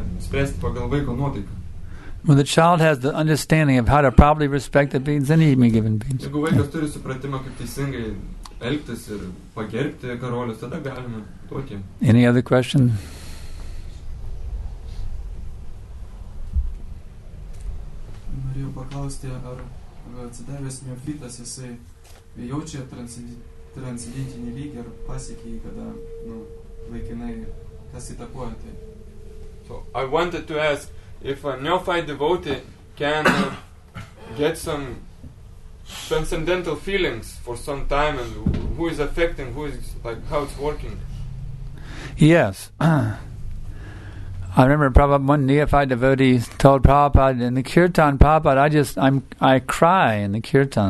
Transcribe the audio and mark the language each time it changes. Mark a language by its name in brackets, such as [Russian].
[English] When the child has the understanding of how to properly respect the beings, any me given beings. [Lithuanian] Jeigu vaikas turi supratimą, kaip teisingai elgtis ir pagerbti karolius, tada galima tokį. [English] Any other question? [Lithuanian] Norėjau paklausti, ar atsidavęs neofitas, jisai jaučia transcendentinį lygį ar pasiekė jį, kada nu, laikinai kas įtakuoja tai? [English] So, I wanted to ask, if a neophyte devotee can get some transcendental feelings for some time, and who is affecting, who is like how it's working? Yes, I remember Prabhupada, one neophyte devotee told Prabhupada in the kirtan, Prabhupada, I cry in the kirtan.